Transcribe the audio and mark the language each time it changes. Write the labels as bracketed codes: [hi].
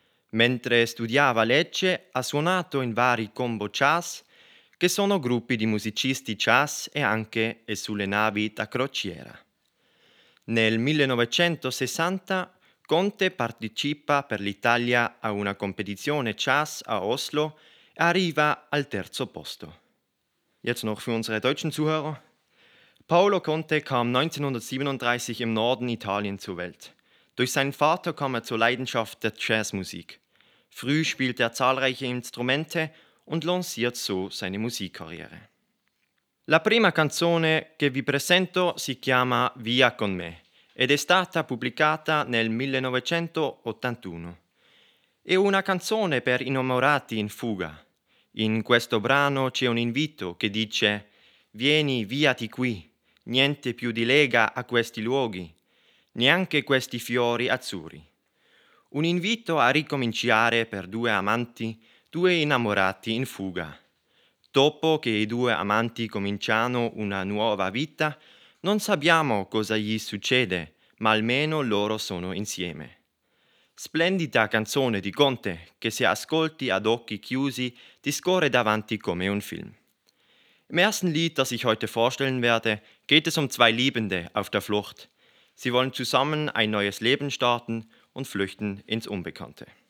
[it] Mentre studiava Lecce, ha suonato in vari combo jazz, che sono gruppi di musicisti jazz e anche e sulle navi da crociera. Nel 1960 Conte partecipa per l'Italia a una competizione jazz a Oslo e arriva al terzo posto. [de] Jetzt noch für unsere deutschen Zuhörer. Paolo Conte kam 1937 im Norden Italien zur Welt. Durch seinen Vater kam er zur Leidenschaft der Jazzmusik. Früh spielt er zahlreiche Instrumente und lanciert so seine Musikkarriere. [it] La prima canzone che vi presento si chiama Via con me ed è stata pubblicata nel 1981. È una canzone per innamorati in fuga. In questo brano c'è un invito che dice: vieni via di qui, niente più di lega a questi luoghi, neanche questi fiori azzurri. Un invito a ricominciare per due amanti, due innamorati in fuga. Dopo che i due amanti cominciano una nuova vita, non sappiamo cosa gli succede, ma almeno loro sono insieme. Splendida canzone di Conte, che se ascolti ad occhi chiusi ti scorre davanti come un film. [de] Im ersten Lied, das ich heute vorstellen werde, geht es um zwei Liebende auf der Flucht. Sie wollen zusammen ein neues Leben starten und flüchten ins Unbekannte.